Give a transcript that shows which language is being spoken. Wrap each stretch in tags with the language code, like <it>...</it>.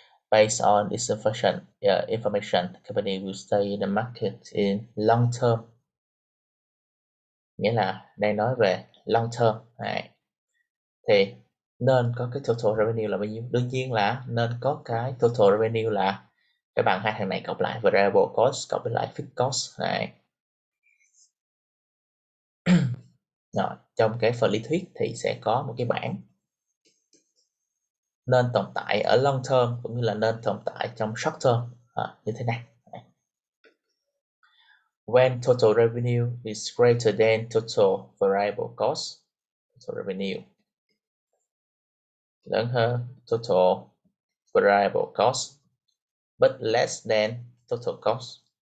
<en>Based on this information, the company will stay in the market in long term.</en> <vi>Nghĩa là đang nói về long term này. Thì nên có cái total revenue là bao nhiêu? Đương nhiên là nên có cái total revenue là cái bằng hai thằng này cộng lại variable cost cộng với lại fixed cost này. Rồi, trong cái phần lý thuyết thì sẽ có một cái bảng nên tồn tại ở long term cũng như là nên tồn tại trong short term như thế này.</vi> <en>When total revenue is greater than total variable cost, total revenue</en> <vi>lớn hơn</vi> <en>total variable cost, but less than total cost.</en>